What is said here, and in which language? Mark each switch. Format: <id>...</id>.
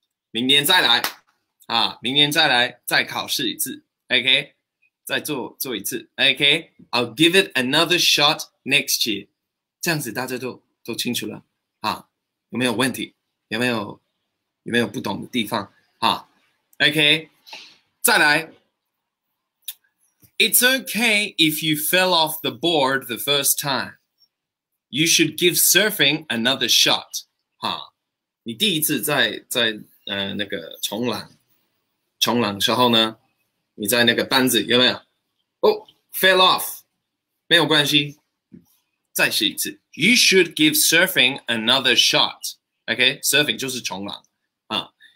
<zh>明年再来啊，明年再来再考试一次 ，OK， 再做一次 ，OK。</zh> <en>I'll give it another shot next year.</en> <zh>这样子大家都清楚了啊，有没有问题？有没有不懂的地方啊 ？OK， 再来。</zh> <en>It's okay if you fell off the board the first time. You should give surfing another shot.</en> <zh>哈，你第一次在那个冲浪时候呢，你在那个班子有没有？哦 ，</zh> <en>fell off，</en> <zh>没有关系，再试一次。</zh> <en>You should give surfing another shot. Okay, surfing</en> <zh>就是冲浪啊。</zh>